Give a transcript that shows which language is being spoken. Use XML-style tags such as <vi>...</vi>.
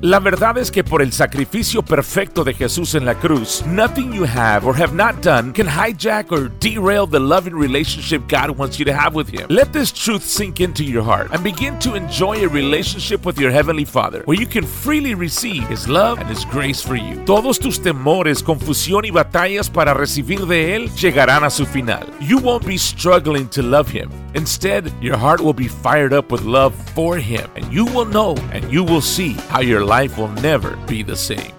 <es>La verdad es que por el sacrificio perfecto de Jesús en la cruz,</es> <en>nothing you have or have not done can hijack or derail the loving relationship God wants you to have with Him. Let this truth sink into your heart and begin to enjoy a relationship with your Heavenly Father, where you can freely receive His love and His grace for you.</en> <es>Todos tus temores, confusión y batallas para recibir de Él llegarán a su final.</es> <en>You won't be struggling to love Him. Instead, your heart will be fired up with love for Him, and you will know and you will see how your life will never be the same.</en>